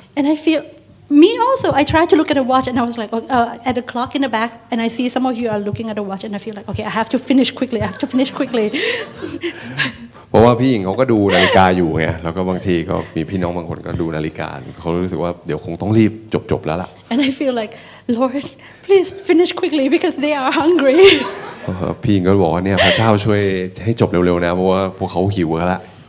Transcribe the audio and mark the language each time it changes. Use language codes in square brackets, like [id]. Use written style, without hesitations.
[en] and I feel me also I tried to look at a watch and I was like at the clock in the back and I see some of you are looking at the watch and I feel like okay I have to finish quickly [th] เพราะว่าพี่หญิงเขาก็ดูนาฬิกาอยู่ไงแล้วก็บางทีก็มีพี่น้องบางคนก็ดูนาฬิกาเขารู้สึกว่าเดี๋ยวคงต้องรีบจบๆแล้วล่ะ [en] And I feel like Lord please finish quickly because they are hungry [th] พี่หญิงก็บอกว่าเนี่ยพระเจ้าช่วยให้จบเร็วๆนะเพราะว่าพวกเขาหิวแล้วล่ะ